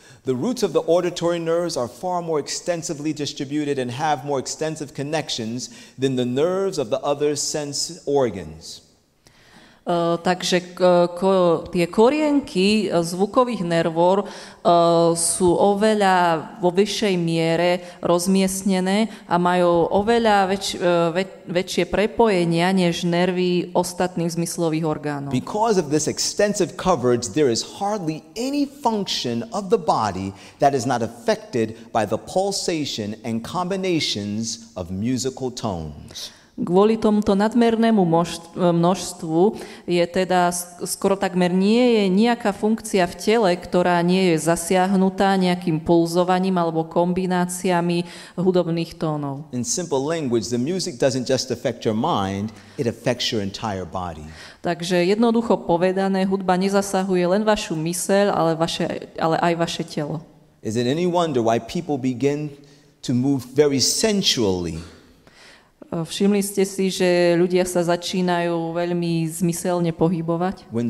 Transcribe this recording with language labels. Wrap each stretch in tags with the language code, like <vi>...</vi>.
<en>The roots of the auditory nerves are far more extensively distributed and have more extensive connections than the nerves of the other sense organs.</en> <sk>Takže tie korienky zvukových nervov sú oveľa vo vyššej miere rozmiestnené a majú oveľa väčšie prepojenia než nervy ostatných zmyslových orgánov.</sk> <en>Because of this extensive coverage, there is hardly any function of the body that is not affected by the pulsation and combinations of musical tones.</en> <sk>Kvôli tomuto nadmernému množstvu je teda skoro takmer nie je nejaká funkcia v tele, ktorá nie je zasiahnutá nejakým pulzovaním alebo kombináciami hudobných tónov.</sk> <en>In simple language, the music doesn't just affect your mind, it affects your entire body.</en> <sk>Takže jednoducho povedané, hudba nezasahuje len vašu myseľ, ale aj vaše telo.</sk> <en>Is it any wonder why people begin to move very sensually?</en> <sk>Všimli ste si, že ľudia sa začínajú veľmi zmyselne pohybovať?</sk>